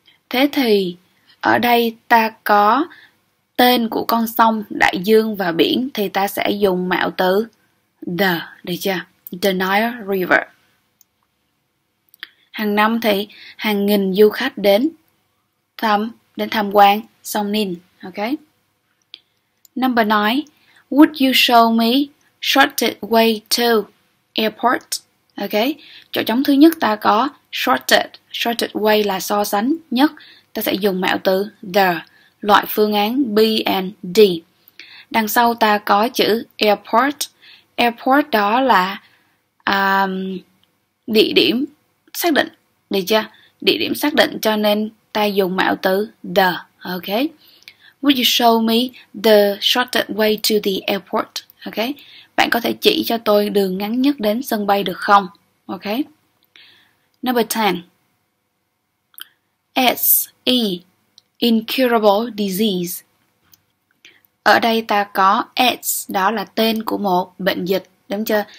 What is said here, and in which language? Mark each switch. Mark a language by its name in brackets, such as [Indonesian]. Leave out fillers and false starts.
[Vietnamese] Thế thì ở đây ta có tên của con sông, đại dương và biển. Thì ta sẽ dùng mạo từ the, được chưa? The Nile River. Hàng năm thì hàng nghìn du khách đến tham quan sông Ninh. [English] Ok. Number 9. Would you show me shorted way to airport? Ok. [Vietnamese] Chỗ trống thứ nhất ta có shorted. Shorted way là so sánh nhất. Ta sẽ dùng mạo từ the. Loại phương án B and D. Đằng sau ta có chữ airport. Airport đó là địa điểm xác định. Được chưa? Địa điểm xác định cho nên ta dùng mạo từ the. Ok. [English] Would you show me the shortest way to the airport? Ok. [Vietnamese] Bạn có thể chỉ cho tôi đường ngắn nhất đến sân bay được không? [English] Ok. Number 10. It's E. Incurable disease. [Vietnamese] Ở đây ta có AIDS, đó là tên của một bệnh dịch, đúng chưa?